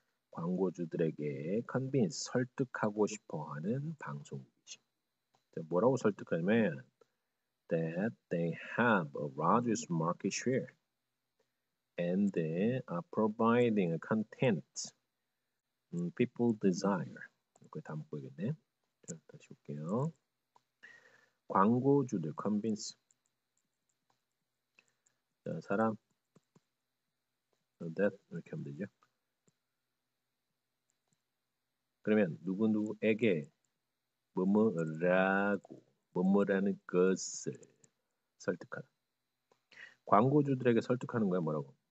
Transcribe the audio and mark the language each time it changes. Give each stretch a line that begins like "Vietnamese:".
Korean: 광고주들에게 convince, 설득하고 싶어 하는 방송국이지. 뭐라고 설득하냐면,
English: that they have a largest market share and they are providing a content people desire.
Korean: 그게 다 보이겠네. 자, 다시 볼게요. 광고주들 convince. 사람 that 이렇게 하면 되죠. 그러면 누구누구에게 뭐뭐라고 뭐뭐라는 것을 설득하는, 광고주들에게 설득하는 거야. 뭐라고?